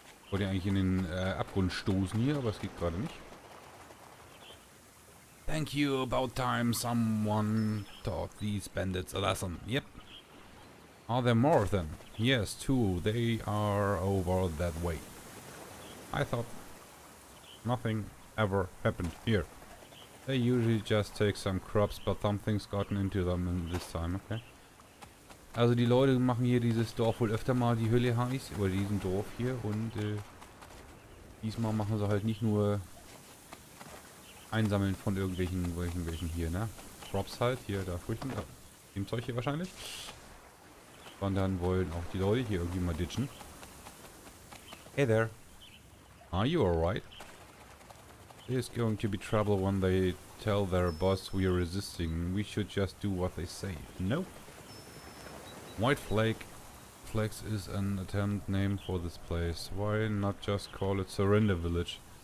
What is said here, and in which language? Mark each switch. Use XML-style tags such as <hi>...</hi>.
<de>Wollte eigentlich in den Abgrund stoßen hier, aber es geht gerade nicht.</de> <en>Thank you, about time someone taught these bandits a lesson. Yep. Are there more of them? Yes, two. They are over that way. I thought nothing ever happened here. They usually just take some crops, but something's gotten into them in this time, okay?</en> <de>Also die Leute machen hier dieses Dorf wohl öfter mal die Hölle heiß, oder diesen Dorf hier, und diesmal machen sie halt nicht nur einsammeln von irgendwelchen hier, ne? Crops halt, hier, da Früchten, dem Zeug hier wahrscheinlich. Sondern wollen auch die Leute hier irgendwie mal ditchen.</de> <en>Hey there. Are you alright? There's going to be trouble when they tell their boss we are resisting. We should just do what they say. Nope. White Flake. Flakes is an attempt name for this place. Why not just call it Surrender Village?</en>